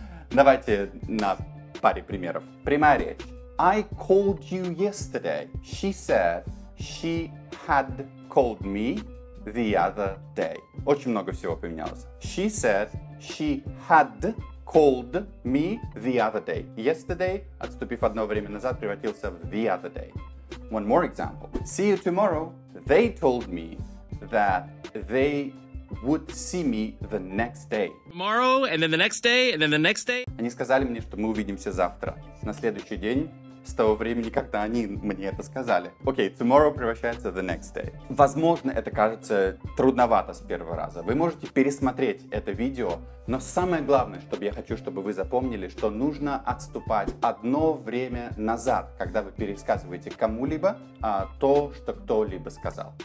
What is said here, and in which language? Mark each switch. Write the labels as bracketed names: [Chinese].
[Russian] Давайте на паре примеров. Прямая речь. [English] I called you yesterday. She said... She had called me the other day. [Russian] Очень много всего поменялось. [English] She said she had called me the other day. [Russian] Yesterday, отступив одно время назад, превратился в [English] the other day. One more example. See you tomorrow. They told me that they would see me the next day. Tomorrow, and then the next day, and then the next day. [Russian] Они сказали мне, что мы увидимся завтра. На следующий день. С того времени, когда они мне это сказали. Окей, tomorrow превращается в [English] the next day. [Russian] Возможно, это кажется трудновато с первого раза. Вы можете пересмотреть это видео, но самое главное, чтобы я хочу, чтобы вы запомнили, что нужно отступать одно время назад, когда вы пересказываете кому-либо то, что кто-либо сказал.